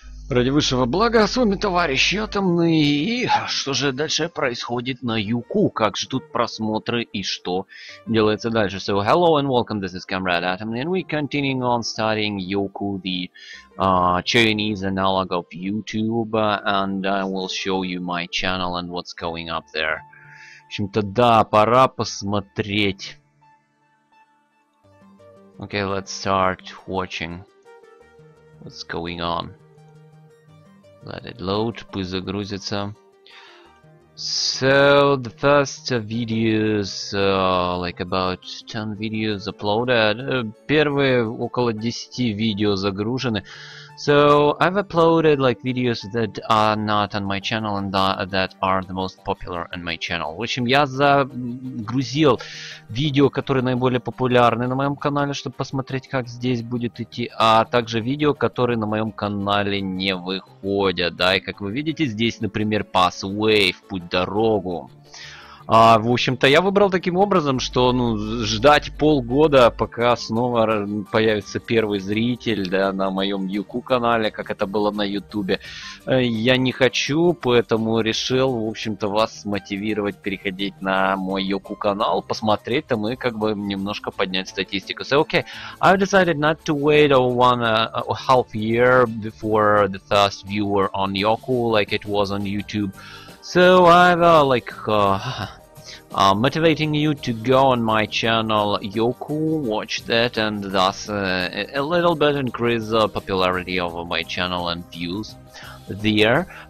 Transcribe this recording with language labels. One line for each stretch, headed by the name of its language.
Russian: Ради высшего блага, с вами товарищи атомные. И что же дальше происходит на Юку? Как ждут просмотры и что делается дальше?
English: So, hello and welcome, this is Comrade Atomy, and we continuing on studying Yuku, the Chinese analog of YouTube, and I will show you my channel and what's going up there.
Russian: В общем-то, да, пора посмотреть.
English: Okay, let's start watching. What's going on? Let it load.
Russian: Пусть загрузится.
English: So, the first videos, like about 10 videos uploaded.
Russian: Первые около 10 видео загружены.
English: So, I've uploaded like videos that are not on my channel and that are the most popular on my channel.
Russian: В общем, я загрузил видео, которые наиболее популярны на моем канале, чтобы посмотреть, как здесь будет идти, а также видео, которые на моем канале не выходят, да, и как вы видите, здесь, например, Pass Wave, Путь Дорогу. В общем-то, я выбрал таким образом, что ждать полгода, пока снова появится первый зритель, да, на моем Юку канале, как это было на Ютубе, я не хочу, поэтому решил, в общем-то, вас мотивировать переходить на мой Юку канал, посмотреть там и как бы немножко поднять статистику.
English: So, okay, I've decided not to wait half year before the first viewer on Юку, like it was on YouTube. So I've motivating you to go on my channel Yoku, watch that, and thus a little bit increase the popularity of my channel and views there.